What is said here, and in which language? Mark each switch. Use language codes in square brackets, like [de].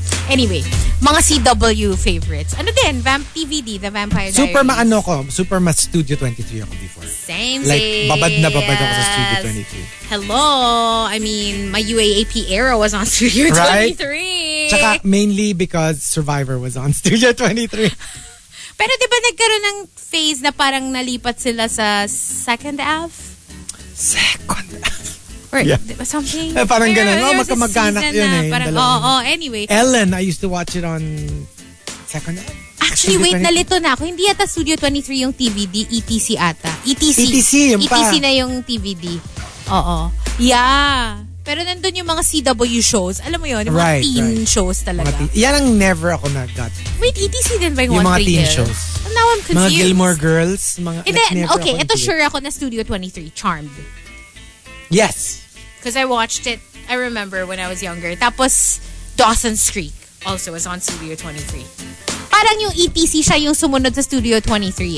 [tl] Anyway, mga CW favorites. Ano din? TVD, The Vampire Diaries. Super maano ko. Super ma Studio 23 ako before. [en] Same. [tl] Like, babad na babad ako sa Studio 23. [en] Hello? I mean, my UAAP era was on Studio 23. Tsaka, mainly because Survivor was on Studio 23. [tl] Pero di ba nagkaroon ng phase na parang nalipat sila sa Second Half? [en] Second Half? Yeah. Something. [tl] Parang ganun. Oh, magkamaganak yun na, eh. Parang, [en] anyway. Ellen, I used to watch it on Second Half. [tl] Actually, Studio wait, 23? Nalito na ako. Hindi yata Studio 23 yung TVD. ETC ata. ETC yun pa. ETC na yung TVD. Oo. Yeah. Pero nandun yung mga CW shows. Alam mo yun? Yung mga teen shows talaga. Yan ang never ako nag-got. Wait, ETC din ba yung mga teen shows? [en] Now I'm confused. [tl] Mga Gilmore Girls. Mga, and then, never okay, ito sure ako na Studio 23. Charmed. [en] Yes. Because I watched it, I remember when I was younger. Tapos, Dawson's Creek also was on Studio 23. [tl] Parang yung ETC siya yung sumunod sa Studio 23.